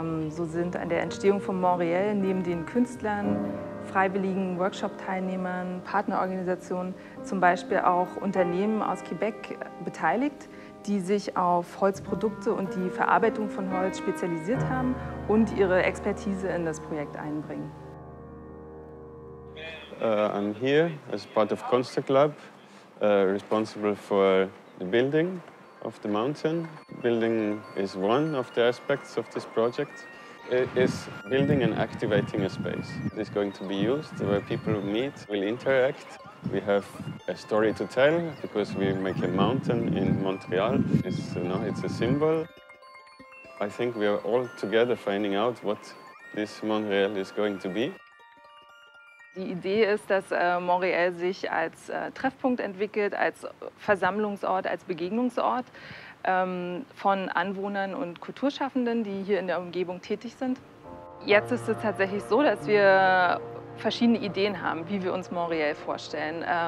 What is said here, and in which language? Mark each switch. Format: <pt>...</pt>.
<de>So sind an der Entstehung von Montréal neben den Künstlern, freiwilligen Workshop-Teilnehmern, Partnerorganisationen, zum Beispiel auch Unternehmen aus Quebec beteiligt, die sich auf Holzprodukte und die Verarbeitung von Holz spezialisiert haben und ihre Expertise in das Projekt einbringen.</de> <en>I'm here as part of ConstruClab. responsible for the building of the mountain. Building is one of the aspects of this project. It is building and activating a space. It's going to be used where people meet, will interact. We have a story to tell because we make a mountain in Montreal. It's a symbol. I think we are all together finding out what this Montreal is going to be.</en> <de>Die Idee ist, dass Montréal sich als Treffpunkt entwickelt, als Versammlungsort, als Begegnungsort von Anwohnern und Kulturschaffenden, die hier in der Umgebung tätig sind. Jetzt ist es tatsächlich so, dass wir verschiedene Ideen haben, wie wir uns Montréal vorstellen.</de>